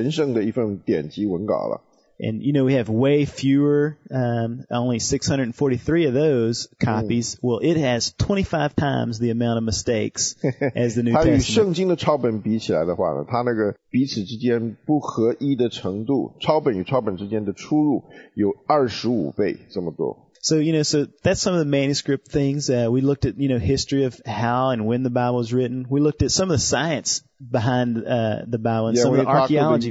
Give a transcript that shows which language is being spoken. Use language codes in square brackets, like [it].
[zh] 对人类的历史来讲呢，那个已经是西欧文明史里面最神圣的一份典籍文稿了。 [en] And we have way fewer, only 643 of those copies. Well, it has 25 times the amount of mistakes as the New Testament. [zh] 它与圣经的抄本比起来的话呢，它那个彼此之间不合一的程度，抄本与抄本之间的出入有25倍这么多。 [en] So, that's some of the manuscript things. We looked at, history of how and when the Bible was written. We looked at some of the science behind the Bible and some of the archaeology